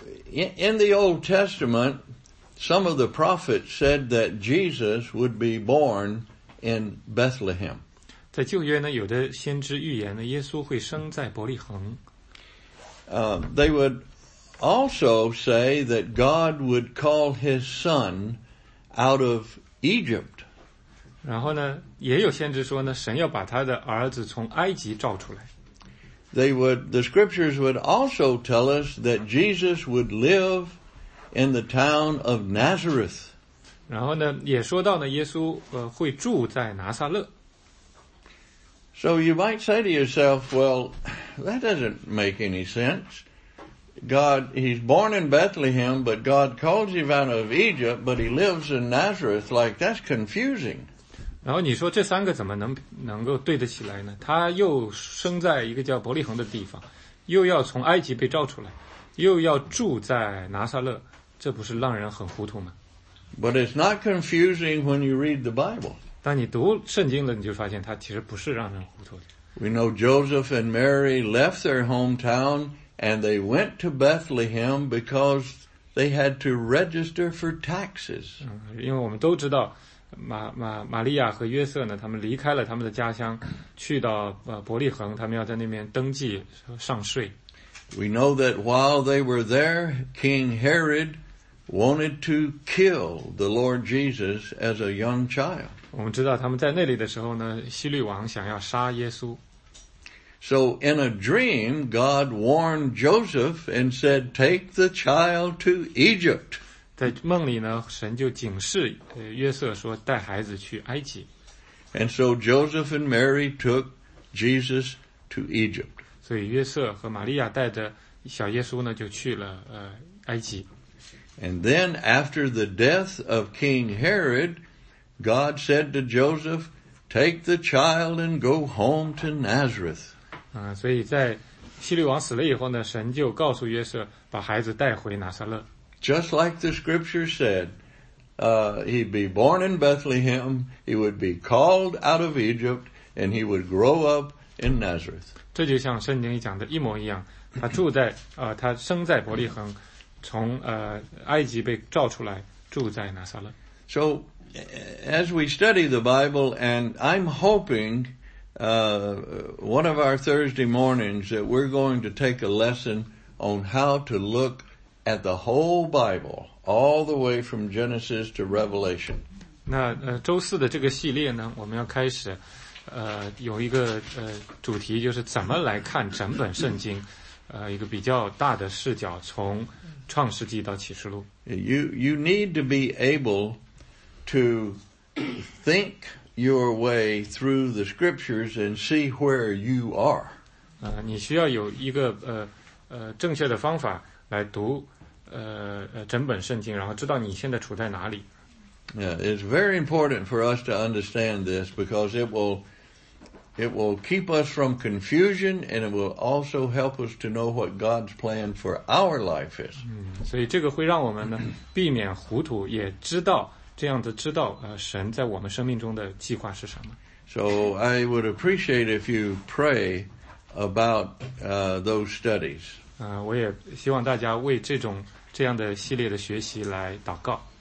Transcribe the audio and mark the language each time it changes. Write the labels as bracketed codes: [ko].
[en] In the Old Testament, some of the prophets said that Jesus would be born in Bethlehem. [zh] 在旧约呢，有的先知预言呢，耶稣会生在伯利恒。 [en] They would also say that God would call his son out of Egypt. [zh] 然后呢，也有先知说呢，神要把他的儿子从埃及召出来。 [en] The scriptures would also tell us that Jesus would live in the town of Nazareth. [zh] 然后呢，也说到呢，耶稣会住在拿撒勒。 [en] So you might say to yourself, well, that doesn't make any sense. God, he's born in Bethlehem, but God calls him out of Egypt, but he lives in Nazareth. Like, that's confusing. [zh] 然后你说这三个怎么能够对得起来呢？他又生在一个叫伯利恒的地方，又要从埃及被召出来，又要住在拿撒勒，这不是让人很糊涂吗 [en] ？But it's not confusing when you read the Bible. [zh] 当你读圣经了，你就发现它其实不是让人糊涂的。 [en] We know Joseph and Mary left their hometown and they went to Bethlehem because they had to register for taxes. [zh] 因为我们都知道。玛利亚和约瑟呢，他们离开了他们的家乡，去到伯利恒，他们要在那边登记上税。 [en] We know that while they were there, King Herod wanted to kill the Lord Jesus as a young child. [zh] 我们知道他们在那里的时候呢，希律王想要杀耶稣。 [en] So in a dream, God warned Joseph and said, "Take the child to Egypt." [zh] 在梦里呢，神就警示约瑟说带孩子去埃及。 [en] And so Joseph and Mary took Jesus to Egypt. [zh] 所以约瑟和玛利亚带着小耶稣呢就去了埃及。 [en] And then after the death of King Herod, God said to Joseph, take the child and go home to Nazareth. [zh] 所以在希律王死了以后呢，神就告诉约瑟把孩子带回拿撒勒。 [en] Just like the scripture said, he'd be born in Bethlehem, he would be called out of Egypt, and he would grow up in Nazareth. [zh] 这就像圣经里讲的一模一样，他住在他生在伯利恒，从埃及被召出来，住在拿撒勒。 [en] So, as we study the Bible, and I'm hoping, one of our Thursday mornings that we're going to take a lesson on how to look at the whole Bible, all the way from Genesis to Revelation. [zh] 那周四的这个系列呢，我们要开始，有一个主题就是怎么来看整本圣经，一个比较大的视角，从创世纪到启示录。 [en] You need to be able to think your way through the scriptures and see where you are. [zh] 你需要有一个正确的方法来读整本圣经，然后知道你现在处在哪里。 [en] Yeah, it's very important for us to understand this because it will keep us from confusion and it will also help us to know what God's plan for our life is. [zh] 所以这个会让我们呢避免糊涂，也知道这样子知道神在我们生命中的计划是什么。 [en] So I would appreciate if you pray about those studies. [zh] 我也希望大家为这样的系列的学习来祷告。